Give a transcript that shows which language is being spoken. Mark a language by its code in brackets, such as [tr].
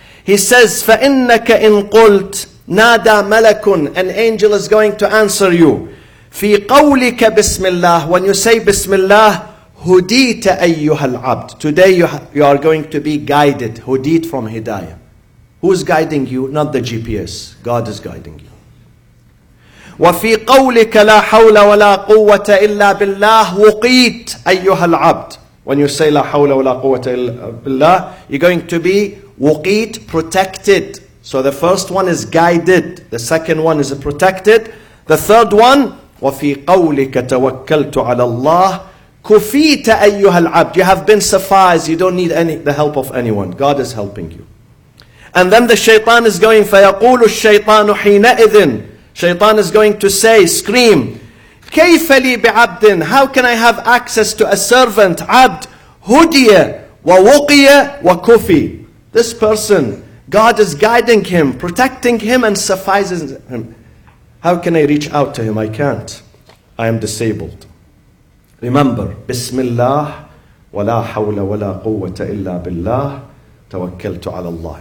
[en] He says, [ar] فَإِنَّكَ إِنْ قُلْتْ نَادَى مَلَكٌ. [en] An angel is going to answer you. [ar] فِي قَوْلِكَ بِسْمِ اللَّهِ. [en] When you say Bismillah, [ar] هُدِيتَ أَيُّهَا الْعَبْدُ. [en] Today you are going to be guided. [ar] هُدِيت [en] from [ar] هِدَايَة. [en] Who is guiding you? Not the GPS. God is guiding you. [ar] وفي قولك لا حول ولا قوة إلا بالله وقيت أيها العبد. [en] When you say [ar] لا حول ولا قوة إلا بالله, [en] you're going to be وقيت, protected. So the first one is guided. The second one is protected. The third one, [ar] وفي قولك توكلت على الله كفيت أيها العبد. [en] You have been sufficed. You don't need any the help of anyone. God is helping you. And then the shaytan is going, [ar] فيقول الشيطان حينئذ. [en] Shaytan is going to say, scream, [ar] كيف لي بعبد. [en] How can I have access to a servant, [ar] عبد, هدية ووقية وكفي. [en] This person, God is guiding him, protecting him and suffices him. How can I reach out to him? I can't. I am disabled. Remember, [ar] بسم الله ولا حول ولا قوة إلا بالله توكلت على الله.